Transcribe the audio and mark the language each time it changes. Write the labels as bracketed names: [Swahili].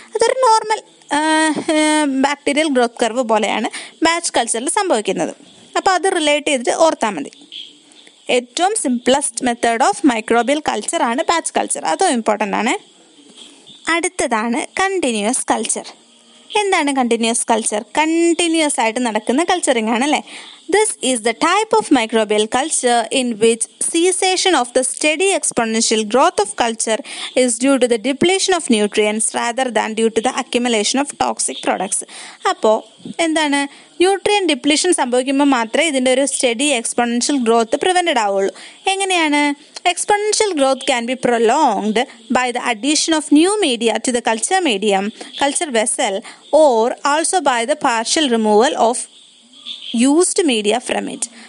[Malayalam] അതൊരു normal bacterial growth curve പോലെയാണ് batch കൾച്ചറിൽ സംഭവിക്കുന്നത്. അപ്പോൾ അത് റിലേറ്റ് ചെയ്തിട്ട് ഓർത്താൽ മതി. ഏറ്റവും [English] simplest method of microbial കൾച്ചറാണ് [Malayalam] batch culture, അതും ഇമ്പോർട്ടൻ്റ് ആണ്. അടുത്തതാണ് കണ്ടിന്യൂസ് കൾച്ചർ. എന്താണ് കണ്ടിന്യൂസ് കൾച്ചർ? കണ്ടിന്യൂസ് ആയിട്ട് നടക്കുന്ന കൾച്ചറിങ് ആണല്ലേ. [English] This is the type of microbial culture in which cessation of the steady exponential growth of culture is due to the depletion of nutrients rather than due to the accumulation of toxic products. [Malayalam] അപ്പോൾ എന്താണ്, nutrient depletion സംഭവിക്കുമ്പോൾ മാത്രമേ ഇതിൻ്റെ ഒരു study exponential growth prevented ആവുള്ളൂ. എങ്ങനെയാണ്? [English] Exponential growth can be prolonged by the addition of new media to the culture medium, culture vessel, or also by the partial removal of used media from it.